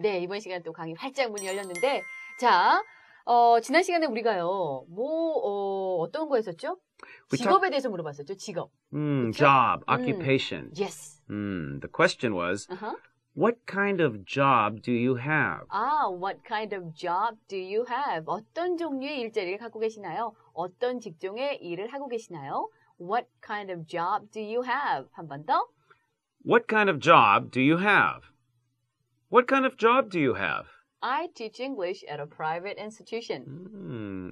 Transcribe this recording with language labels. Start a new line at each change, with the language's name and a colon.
Korean: 네, 이번 시간 또 강의 활짝 문이 열렸는데 자, 지난 시간에 우리가요. 어떤 거 했었죠? 직업에 대해서 물어봤었죠. 직업.
English: Job, occupation. Yes. The question was What kind of job do you have? Ah, what kind of job do you have?
Korean: 어떤 종류의 일자리를 갖고 계시나요? 어떤 직종의 일을 하고 계시나요?
English: What kind of job do you have?
Korean: 한 번 더.
English: What kind of job do you have? What kind of job do you have? I teach English at a private institution.